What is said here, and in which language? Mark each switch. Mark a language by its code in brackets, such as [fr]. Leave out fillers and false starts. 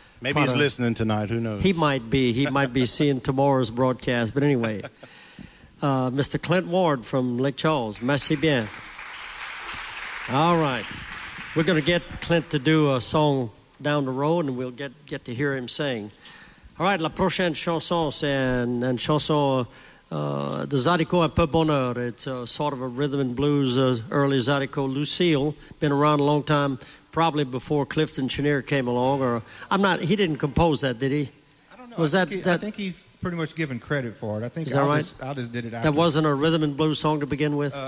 [en] Maybe he's listening tonight. Who knows? He might be. He might be seeing tomorrow's broadcast. But anyway, Mr. Clint Ward from Lake Charles. [fr] Merci bien. [en] All right. We're going to get Clint to do a song down the road, and we'll get to hear him sing. [fr] All right. La prochaine chanson, c'est une chanson de Zydeco un peu bonheur. [en] It's a sort of a rhythm and blues early Zydeco. Lucille, been around a long time. Probably before Clifton Chenier came along, he didn't compose that, did he? I don't know. I think he's pretty much given credit for it. I just did it after. That wasn't a rhythm and blues song to begin with?